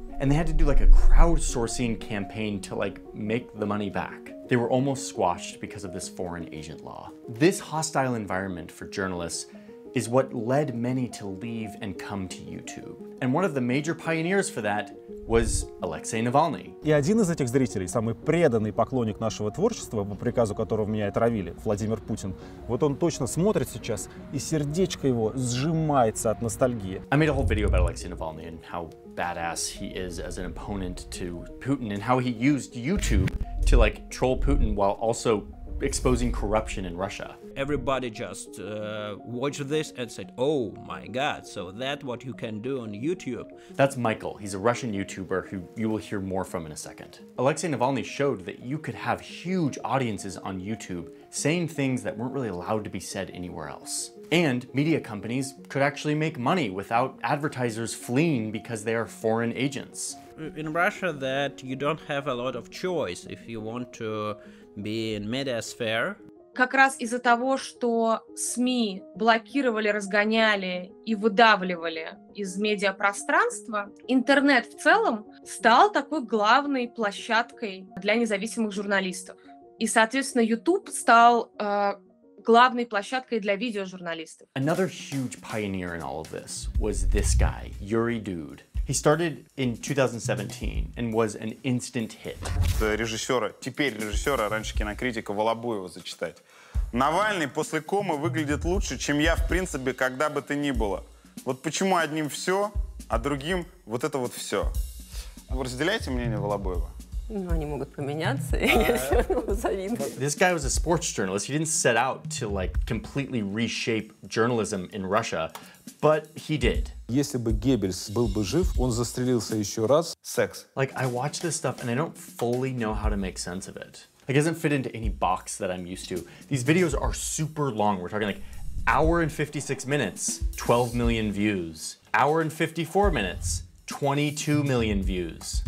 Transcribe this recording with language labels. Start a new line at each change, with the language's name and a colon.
English: And they had to do like a crowdsourcing campaign to like make the money back. They were almost squashed because of this foreign agent law. This hostile environment for journalists is what led many to leave and come to YouTube. And one of the major pioneers for that was Alexei Navalny.
Russian: И один из этих зрителей, самый преданный поклонник нашего творчества, по приказу которого меня отравили, Владимир Путин, вот он точно смотрит сейчас, и сердечко его сжимается от ностальгии.
English: I made a whole video about Alexei Navalny and how badass he is as an opponent to Putin and how he used YouTube to like troll Putin while also exposing corruption in Russia. Everybody just watched this and said, oh my God, so that's what you can do on YouTube. That's Michael. He's a Russian YouTuber who you will hear more from in a second. Alexei Navalny showed that you could have huge audiences on YouTube saying things that weren't really allowed to be said anywhere else. And media companies could actually make money without advertisers fleeing because they are foreign agents. In Russia, that you don't have a lot of choice if you want to be in media sphere.
Russian: Как раз из-за того, что СМИ блокировали, разгоняли и выдавливали из медиапространства, интернет в целом стал такой главной площадкой для независимых журналистов. И, соответственно, YouTube стал главной площадкой для видеожурналистов.
English: Another huge pioneer in all of this was this guy, Yuri Dude. He started in 2017 and was an instant hit.
Russian: Режиссера, теперь режиссера, раньше кинокритика, Волобуева зачитать. Навальный после комы выглядит лучше, чем я, в принципе, когда бы то ни было. Вот почему одним все, а другим вот это вот все. Вы разделяете мнение Волобуева? Ну, они могут поменяться, и я все равно завидую.
English: This guy was a sports journalist. He didn't set out to, like, completely reshape journalism in Russia, but he did.
Russian: Если бы Геббельс был бы жив, он застрелился еще раз. Секс.
English: Like, I watch this stuff, and I don't fully know how to make sense of it. It doesn't fit into any box that I'm used to. These videos are super long. We're talking like hour and 56 minutes, 12 million views. Hour and 54 minutes, 22 million views.